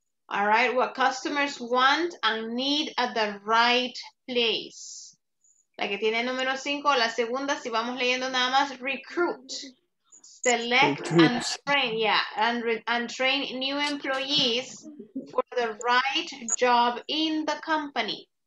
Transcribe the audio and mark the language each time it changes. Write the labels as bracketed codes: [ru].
[en] All right, what customers want and need at the right place. [es] La que tiene el número 5, la segunda, si vamos leyendo nada más, recruit. [en] Select and train, and train new employees for the right job in the company.